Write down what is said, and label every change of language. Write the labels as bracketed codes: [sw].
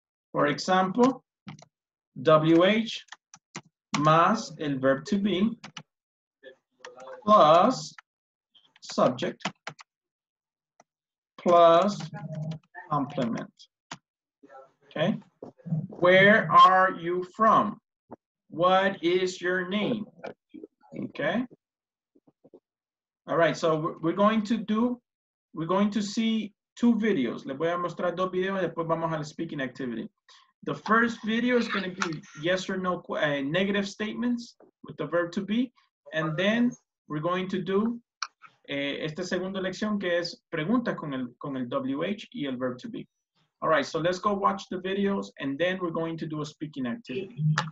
[en] For example, WH más el verb to be, plus subject, plus complement, okay? Where are you from? What is your name? Okay? All right, so we're going to see two videos. [es] Les voy a mostrar dos videos y después vamos a la [en] speaking activity. The first video is going to be yes or no negative statements with the verb to be. And then we're going to do [es] esta segunda lección que es preguntas con el WH y el [en] verb to be. All right, so let's go watch the videos and then we're going to do a speaking activity.